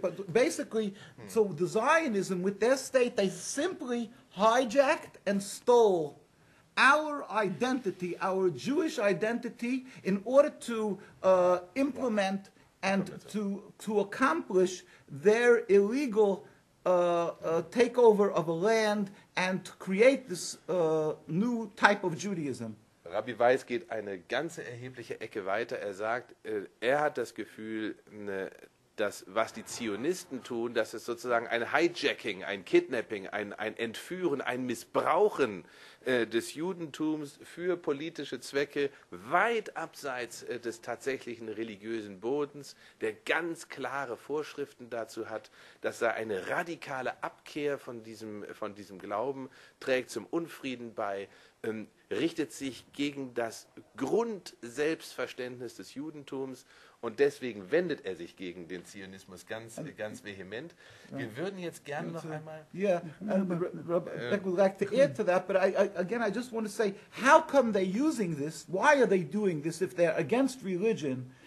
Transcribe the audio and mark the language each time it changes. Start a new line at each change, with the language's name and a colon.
English: But basically, so the Zionism, with their state, they simply hijacked and stole our identity, our Jewish identity, in order to implement and to accomplish their illegal takeover of a land and to create this new type of Judaism.
German: Rabbi Weiss geht eine ganze erhebliche Ecke weiter. Er sagt, er hat das Gefühl, dass was die Zionisten tun, dass es sozusagen ein Hijacking, ein Kidnapping, ein Entführen, ein Missbrauchen des Judentums für politische Zwecke weit abseits des tatsächlichen religiösen Bodens, der ganz klare Vorschriften dazu hat, dass er eine radikale Abkehr von diesem Glauben trägt, zum Unfrieden bei, richtet sich gegen das Grundselbstverständnis des Judentums. Und deswegen wendet er sich gegen den Zionismus ganz, ganz vehement. Wir würden jetzt gerne noch einmal...
English: Yeah, I would like to add to that, but I just want to say, how come they're using this? Why are they doing this if they're against religion?